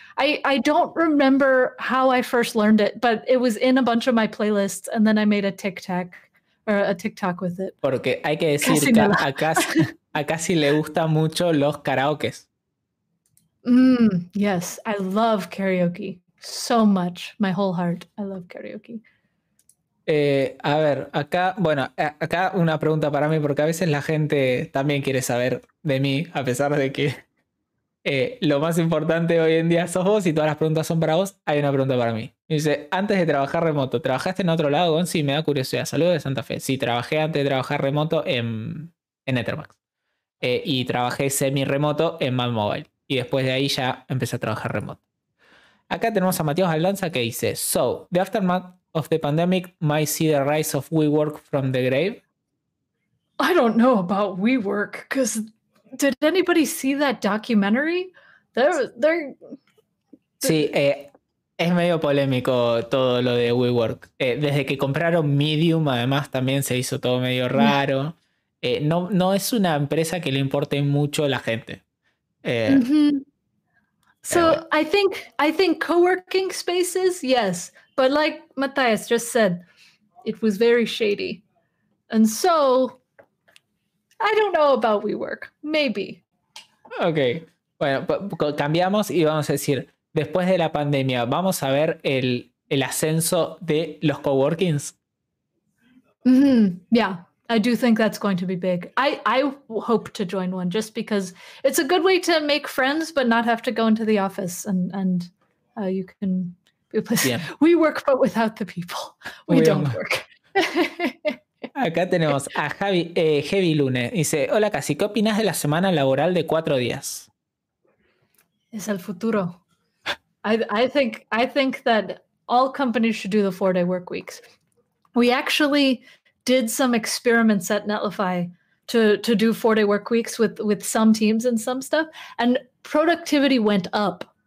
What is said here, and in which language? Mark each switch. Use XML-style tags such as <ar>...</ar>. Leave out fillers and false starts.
<en>I don't remember how I first learned it, but it was in a bunch of my playlists, and then I made a TikTok with it.</en> <es>Porque hay que decir que acá sí le gusta mucho los karaokes.</es> <en>Yes, I love karaoke so much. My whole heart, I love karaoke.</en> <es>A ver, acá, bueno, acá una pregunta para mí, porque a veces la gente también quiere saber de mí, a pesar de que lo más importante hoy en día sos vos y todas las preguntas son para vos, hay una pregunta para mí. Me dice, antes de trabajar remoto, ¿trabajaste en otro lado, Gonzi? Me da curiosidad. Saludos de Santa Fe. Sí, trabajé antes de trabajar remoto en Ethermax. Y trabajé semi-remoto en Mad Mobile. Y después de ahí ya empecé a trabajar remoto. Acá tenemos a Matías Aldanza que dice,</es> <en>so, the aftermath of the pandemic might see the rise of WeWork from the grave? I don't know about WeWork, because did anybody see that documentary?</en> <es>Sí, es medio polémico todo lo de WeWork. Desde que compraron Medium, además, también se hizo todo medio raro. No es una empresa que le importe mucho a la gente.</es> <en>So I think co-working spaces, yes. But like Matthias just said, it was very shady. And so, I don't know about WeWork. Maybe. Okay.</en> <es>Bueno, cambiamos y vamos a decir, después de la pandemia, ¿vamos a ver el ascenso de los co-workings? Mm-hmm.</es> <en>Yeah, I do think that's going to be big. I hope to join one just because it's a good way to make friends but not have to go into the office and you can... We work, but without the people. We don't work.</en> <es>Acá tenemos a Javi, Heavy Lune. Dice, hola Casi, ¿qué opinas de la semana laboral de 4 días? Es el futuro.</es> <en>I think that all companies should do the 4-day work weeks. We actually did some experiments at Netlify to do 4-day work weeks with some teams and some stuff, and productivity went up.</en>